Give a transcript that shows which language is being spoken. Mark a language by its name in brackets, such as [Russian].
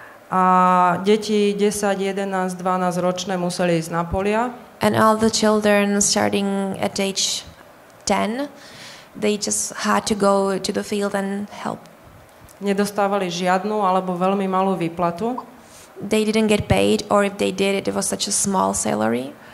[Slovak] A deti 10, 11, 12 ročné museli ísť na polia. [English] And all the children starting at age 10, they just had to go to the field and help. [Slovak] Nedostávali žiadnu alebo veľmi malú výplatu. [English] They didn't get paid, or if they did, it was such a small salary.